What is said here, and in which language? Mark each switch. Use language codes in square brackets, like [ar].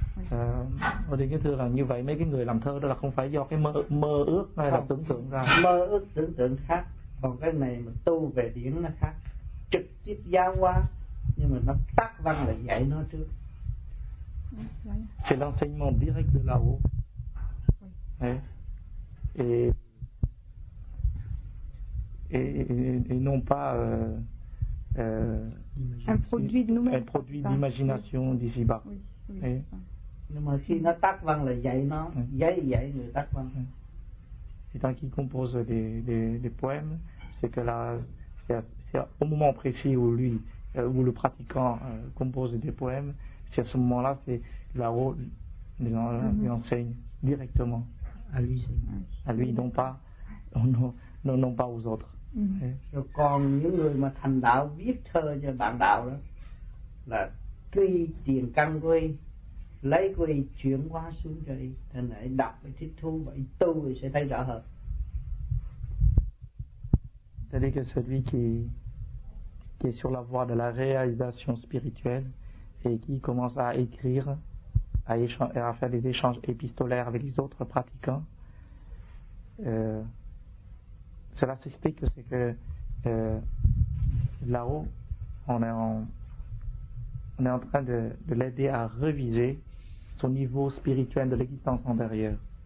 [vi] Ờ, thì cái thưa là như vậy mấy cái người làm thơ đó là không phải do cái mơ ước hay là tưởng tượng ra. Mơ ước tưởng tượng khác, còn cái này mà tu về điển nó khác, trực tiếp giáo hóa. nhưng mà nó tác văn là dạy nó trước. [fr] C'est l'enseignement direct de là-haut. Oui. Et non pas un produit de nous-mêmes. Un produit d'imagination d'ici-bas. Et donc il compose des poèmes, c'est que là, c'est au moment précis où lui, où le pratiquant compose des poèmes, c'est à ce moment-là, c'est là-haut, lui enseigne directement. À lui, à lui, non pas, non pas aux autres. [vi] Rồi còn những người mà thành đạo viết thơ cho bạn đạo đó là tuy tiền căn quê lấy quê chuyển hóa xuống cho đi thì lại đọc và tiếp thu vậy tu thì sẽ thấy rõ hơn. [fr] C'est-à-dire que celui qui est sur la voie de la réalisation spirituelle et qui commence à écrire, à faire des échanges épistolaires avec les autres pratiquants, cela s'explique, c'est que là-haut, on est en train de l'aider à réviser son niveau spirituel de l'existence antérieure.